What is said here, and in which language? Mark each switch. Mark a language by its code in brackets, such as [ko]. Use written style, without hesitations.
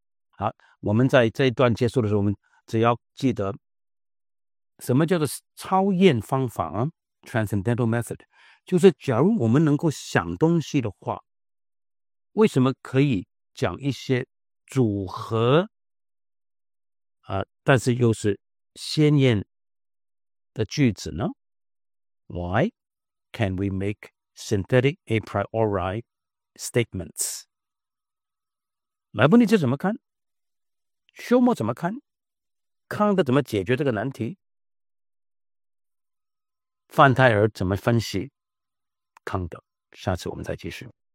[zh] 好，我们在这一段结束的时候我们只要记得什么叫做超验方法啊？ Transcendental method 就是假如我们能够想东西的话，为什么可以讲一些组合但是又是先验的句子呢？ [en] Why can we make synthetic a priori statements? [zh] 莱布尼茨怎么看？休谟怎么看？康德怎么解决这个难题？范泰尔怎么分析康德？下次我们再继续。